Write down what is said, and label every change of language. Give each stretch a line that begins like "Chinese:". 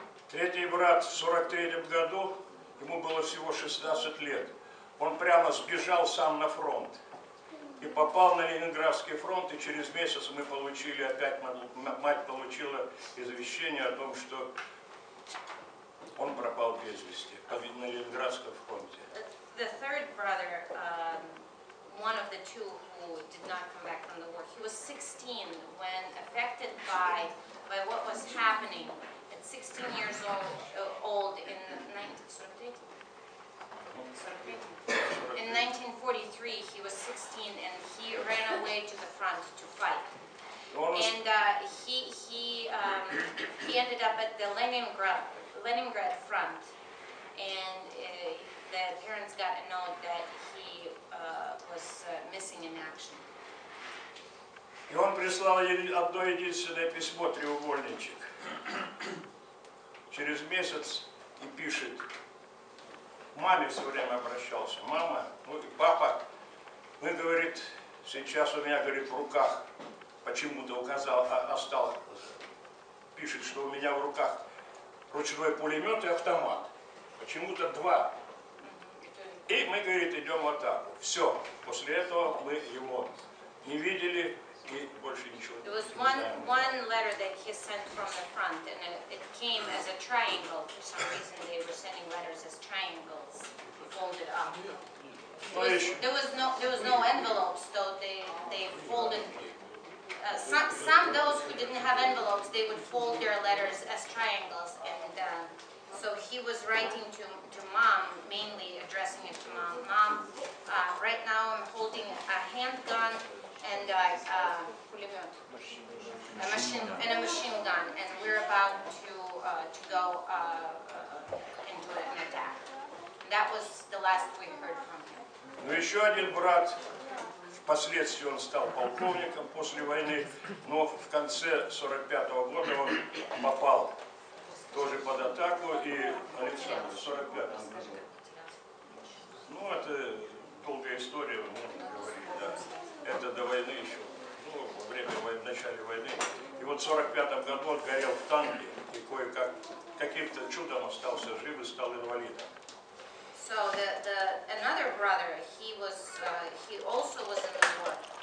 Russian: Третий брат в 43-м году, ему было всего 16 лет, он прямо сбежал сам на фронт и попал на Ленинградский фронт, и через месяц мы получили опять, мать получила извещение о том, что он пропал без вести на Ленинградском фронте.
English: The third brother, one of the two who did not come back from the war, he was 16 when affected by what was happening. 16 years old in 1943, he was 16 and he ran away to the front to fight. And he ended up at the Leningrad front, and the parents got a note that he was missing in action.
Russian: И он прислал одно единственное письмо, треугольничек. Через месяц и пишет, маме все время обращался, мама, ну и папа, ну и говорит, сейчас у меня, говорит, в руках, почему-то указал, остался, пишет, что у меня в руках ручной пулемет и автомат, почему-то два. И мы, говорит, идем в атаку. Все, после этого мы его не видели.
English: There was one letter that he sent from the front, and it came as a triangle. For some reason, they were sending letters as triangles, folded up. There was no envelopes, though they folded. Some those who didn't have envelopes, they would fold their letters as triangles, and so he was writing to mom, mainly addressing it to mom. Mom, right now I'm holding a handgun. And a machine gun, and we're about to go into an attack. That was the last we heard from him.
Russian: Ну еще один брат. Впоследствии он стал полковником после войны, но в конце 45-го года он попал тоже под атаку, и Александр в 45-м году. Ну это долгая история, можно говорить, да. Это до войны еще, ну, во время войны, в начале войны. И вот в 45-м году он горел в танке, и кое-как, каким-то чудом остался жив и стал инвалидом.
English: So the another brother, he was, he also was in the war.